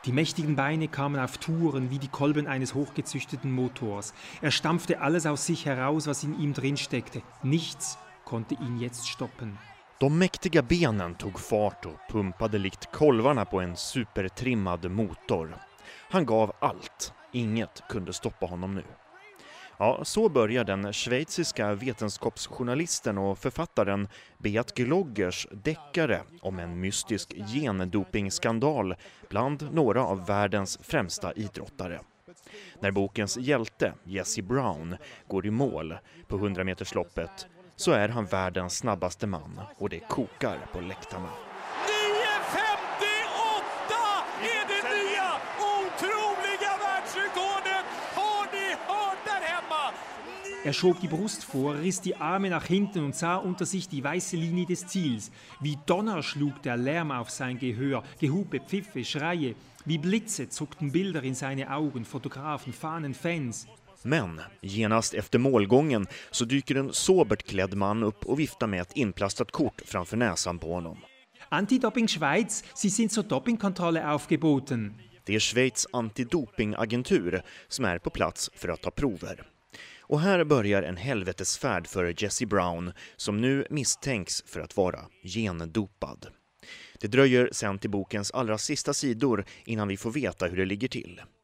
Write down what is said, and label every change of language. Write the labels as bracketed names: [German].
[German] Die mächtigen Beine kamen auf Touren wie die Kolben eines hochgezüchteten Motors. Er stampfte alles aus sich heraus, was in ihm drinsteckte. Nichts konnte ihn jetzt stoppen. [Swedish] De mäktiga benen tog fart och pumpade likt kolvarna på en supertrimmad motor. Han gav allt. Inget kunde stoppa honom nu. Ja, så börjar den schweiziska vetenskapsjournalisten och författaren Beat Gloggers deckare om en mystisk gendopingskandal bland några av världens främsta idrottare. När bokens hjälte, Jesse Brown, går i mål på 100-metersloppet så är han världens snabbaste man och det kokar på läktarna. 9,58 är det nya otroliga världsrekordet! Har ni hört där hemma? [German] Er schob die Brust vor, riss die Arme nach hinten und sah unter sich die weiße Linie des Ziels. Wie Donner schlug der Lärm auf sein Gehör, Gehupe, Pfiffe, Schreie. Wie Blitze zuckten Bilder in seine Augen, Fotografen, Fahnen, Fans. [Swedish] Men genast efter målgången så dyker en sobert klädd man upp och viftar med ett inplastat kort framför näsan på honom. [German] Anti-Doping Schweiz, Sie sind zur Dopingkontrolle aufgeboten. [Swedish] Det är Schweiz antidopingagentur som är på plats för att ta prover. Och här börjar en helvetesfärd för Jesse Brown som nu misstänks för att vara gendopad. Det dröjer sen till bokens allra sista sidor innan vi får veta hur det ligger till.